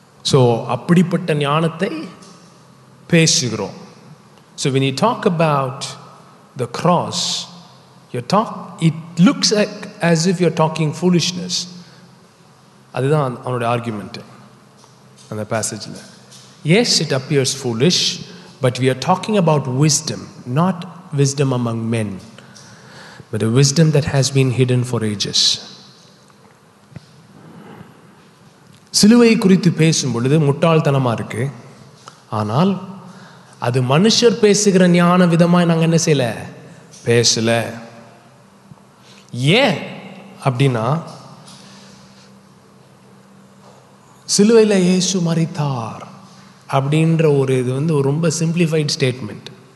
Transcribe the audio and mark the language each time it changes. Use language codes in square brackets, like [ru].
[ta] So அப்படிப்பட்ட ஞானத்தை பேசுகிறோம். [en] So when you talk about the cross, you talk it looks as if you're talking foolishness. [ta] அதுதான் அவனுடைய argument அந்த பேசேஜில். [en] Yes, it appears foolish, but we are talking about wisdom, not wisdom among men, but a wisdom that has been hidden for ages. [ta] சிலுவை குறித்து பேசும் பொழுது முட்டாள்தனமாக இருக்கு, ஆனால் அது மனுஷர் பேசுகிற ஞான விதமாக நாங்கள் என்ன செய்யலை, பேசலை. ஏன் அப்படின்னா, சிலுவையில் இயேசு மரித்தார் அப்படின்ற ஒரு இது வந்து ரொம்ப சிம்பிளிஃபைட் ஸ்டேட்மெண்ட்.